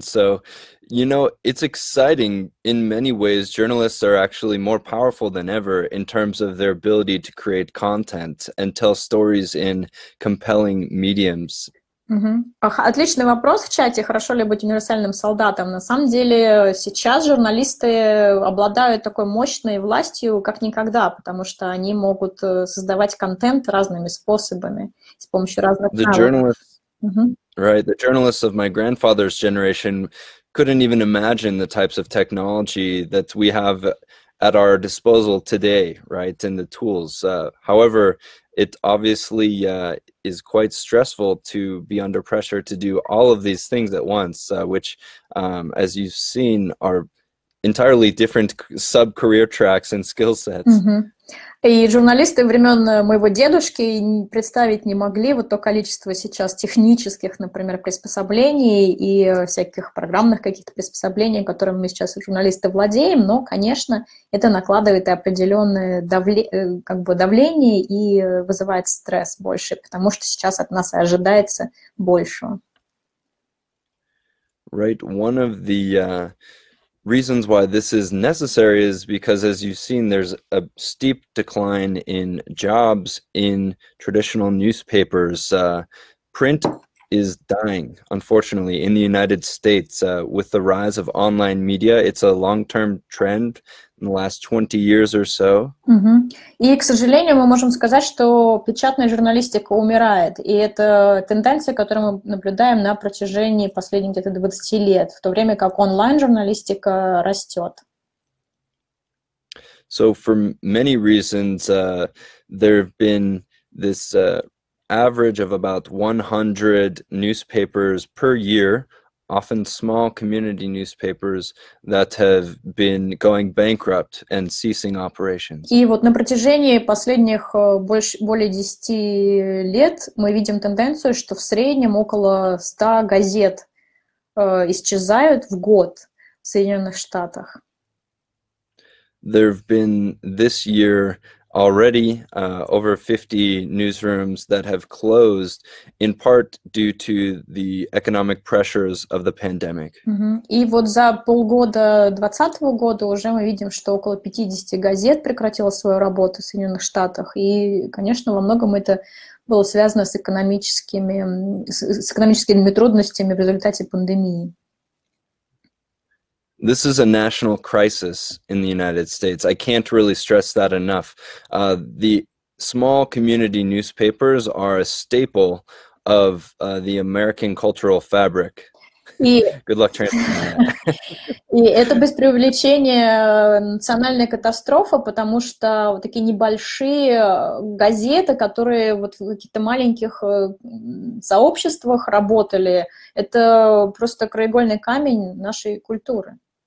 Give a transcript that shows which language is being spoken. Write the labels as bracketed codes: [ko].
[en] So, you know, it's exciting in many ways. Journalists are actually more powerful than ever in terms of their ability to create content and tell stories in compelling mediums. [ru] Mm-hmm. Отличный вопрос в чате. Хорошо ли быть универсальным солдатом? На самом деле сейчас журналисты обладают такой мощной властью, как никогда, потому что они могут создавать контент разными способами, с помощью разных каналов. [en] Right, the journalists of my grandfather's generation couldn't even imagine the types of technology that we have at our disposal today, right, and the tools. However, it obviously is quite stressful to be under pressure to do all of these things at once, which, as you've seen, are entirely different sub-career tracks and skill sets. [ru] И журналисты времен моего дедушки представить не могли вот то количество сейчас технических, например, приспособлений и всяких программных каких-то приспособлений, которыми мы сейчас журналисты владеем, но, конечно, это накладывает определенное давление и вызывает стресс больше, потому что сейчас от нас и ожидается больше. [en] Right. One of the reasons why this is necessary is because, as you've seen, there's a steep decline in jobs in traditional newspapers. Print is dying, unfortunately, in the United States. With the rise of online media, it's a long-term trend in the last 20 years or so. Mm-hmm. [ru] И, к сожалению, мы можем сказать, что печатная журналистика умирает. И это тенденция, которую мы наблюдаем на протяжении последних где-то 20 лет, в то время как онлайн-журналистика растет. [en] So for many reasons, there have been this average of about 100 newspapers per year, often small community newspapers that have been going bankrupt and ceasing operations. [ru] И вот на протяжении последних более 10 лет мы видим тенденцию, что в среднем около 100 газет исчезают в год в Соединенных Штатах. [en] There have been this year already over 50 newsrooms that have closed, in part due to the economic pressures of the pandemic. [ru] И вот за полгода 2020 года уже мы видим, что около 50 газет прекратило свою работу в Соединенных Штатах. И, конечно, во многом это было связано с экономическими трудностями в результате пандемии. [en] This is a national crisis in the United States. I can't really stress that enough. The small community newspapers are a staple of the American cultural fabric. Good luck translating that. [ru] И это без преувеличения национальная катастрофа, потому что вот такие небольшие газеты, которые вот в каких-то маленьких сообществах работали, это просто краеугольный камень нашей культуры.